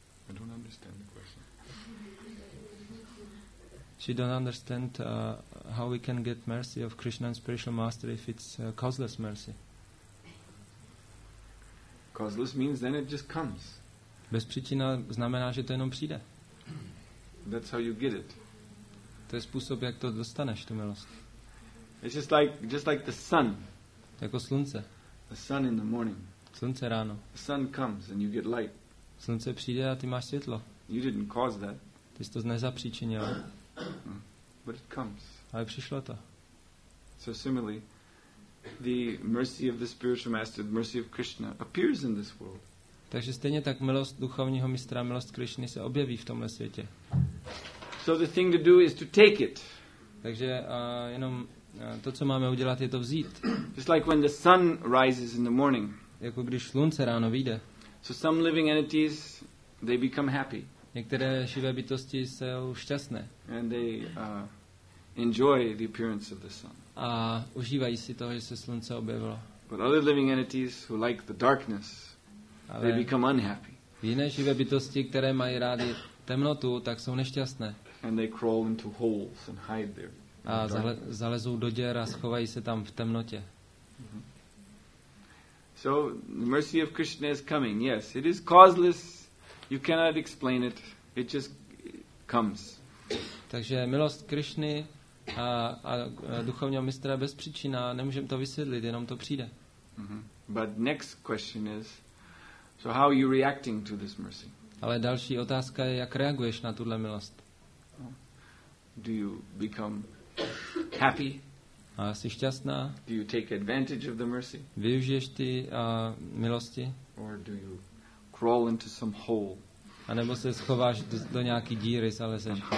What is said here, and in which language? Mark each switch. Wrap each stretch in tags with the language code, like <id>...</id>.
<en>I don't understand the question. She don't understand how we can get mercy of Krishna and spiritual master if it's causeless mercy. Causeless means then it just comes.</en> <cs>Bezpříčina znamená, že to jenom přijde.</cs> <en>That's how you get it.</en> <cs>To je způsob, jak to dostaneš, tu milost.</cs> <en>It's just like the sun.</en> <cs>Jako slunce.</cs> <en>The sun in the morning.</en> <cs>Slunce ráno.</cs> <en>The sun comes and you get light.</en> <cs>Slunce přijde a ty máš světlo.</cs> <en>You didn't cause that.</en> <cs>Ty jsi to nezapříčinil.</cs> <en>But it comes.</en> <cs>Ale přišlo to.</cs> <en>So similarly, the mercy of the spiritual master, the mercy of Krishna, appears in this world.</en> <cs>Takže stejně tak milost duchovního mistra, milost Krišny se objeví v tomhle světě.</cs> <en>So the thing to do is to take it.</en> <cs>Takže jenom to, co máme udělat, je to vzít.</cs> <en>Just like when the sun rises in the morning.</en> <cs>Jako když slunce ráno vyjde.</cs> <en>So some living entities, they become happy.</en> <cs>Některé živé bytosti jsou šťastné.</cs> <en>And they enjoy the appearance of the sun.</en> <cs>A užívají si toho, že se slunce objevilo.</cs> <en>But other living entities who like the darkness,</en> <cs>ale</cs> <en>they become unhappy.</en> <cs>Jiné živé bytosti, které mají rádi temnotu, tak jsou nešťastné.</cs> <en>And they crawl into holes and hide there.</en> <cs>A zalezou do děr a schovají se tam v temnotě.</cs> <en>So the mercy of Krishna is coming. Yes, it is causeless. You cannot explain it. It just comes.</en> <cs>Takže milost Krišny a duchovního mistra bez příčina, nemůžeme to vysvětlit, jenom to přijde.</cs> <en>But next question is, so how are you reacting to this mercy?</en> <cs>Ale další otázka je, jak reaguješ na tuhle milost?</cs> <en>Do you become happy?</en> <cs>A jsi šťastná?</cs> <en>Do you take advantage of the mercy?</en> <cs>Využiješ ty milosti?</cs> <en>Or do you crawl into some hole?</en> <cs>A nebo se schováš do nějaký díry, ale se</cs>